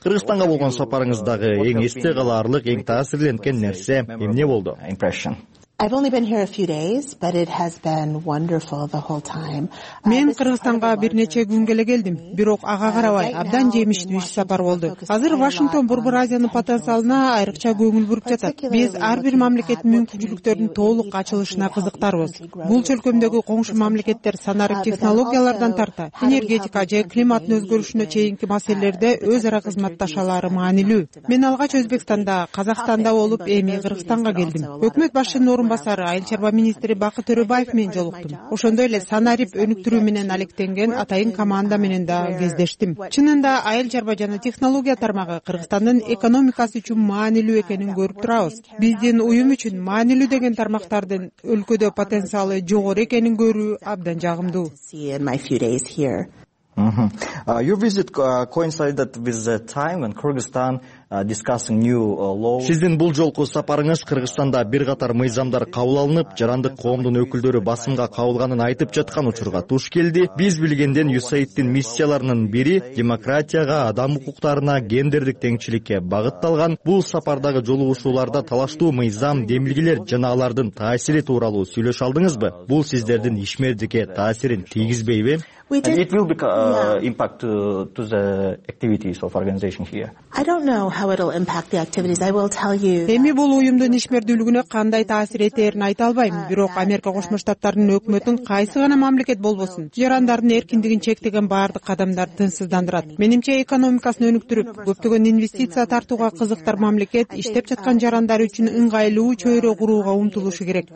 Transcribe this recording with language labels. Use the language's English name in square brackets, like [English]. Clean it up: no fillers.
[Kyrgyz] Кыргызстанга болгон сапарыңыздагы эң эсте калаарлык, эң таасирленткен нерсе эмне болду? [English] Impression. I've only been here a few days, but it has been wonderful the whole time. [Kyrgyz] Мен Кыргызстанга бир нече күн эле келдим, бирок ага карабай абдан жемиштүү иш сапар болду. Азыр Вашингтон Борбор Азиянын потенциалына айрыкча көңүл буруп жатат. Биз ар бир мамлекеттин мүмкүнчүлүктөрүн толук ачылышына кызыктарбыз. Бул чөлкөмдөгү коңшу мамлекеттер санарип технологиялардан тарта, энергетика же климаттын өзгөрүшүнө чейинки маселелерде өз ара кызматташалары маанилүү. Мен алгач Өзбекстанда, Казакстанда болуп, эми Кыргызстанга келдим. Өкмөт башчы орун басары, айыл чарба министри Бакыт Төрөбаев менен жолуктум. Ошондой эле санарип өнүктүрүү менен алектенген атайын команда менен да кездештим. Чынында айыл чарба жана технология тармагы Кыргызстандын экономикасы үчүн маанилүү экенин көрүп турабыз. Биздин уюм үчүн маанилүү деген тармактардын өлкөдө потенциалы жогору экенин көрүү абдан жагымдуу. [English] Your visit coincided with the time when Kyrgyzstan discussing new laws. [Kyrgyz] Сиздин бул жолку сапарыңыз Кыргызстанда бир катар мыйзамдар кабыл алынып, жарандык коомдун өкүлдөрү басымга кабылганын айтып жаткан учурга туш келди. Биз билгенден USAID'тин миссияларынын бири демократияга, адам укуктарына, гендердик теңчиликке багытталган. Бул сапардагы жолугушууларда талаштуу мыйзам, демилгилер жана алардын таасири тууралуу сүйлөшө алдыңызбы? Бул сиздердин ишмердикке таасирин тийгизбейби? [English] And it will impact to the activities of organization here. I don't know how it'll impact the activities. I will tell you. [Kyrgyz] Эми бул уюмдун ишмердүүлүгүнө кандай таасир этерин айта албайм, бирок Америка Кошмо Штаттарынын өкмөтүн кайсы гана мамлекет болбосун, жарандардын эркиндигин чектеген баардык адамдар тынчсыздандырат. Менимче экономикасын өнүктүрүп, көптөгөн инвестиция тартууга кызыктар мамлекет иштеп жаткан жарандар үчүн ыңгайлуу чөйрө курууга умтулушу керек.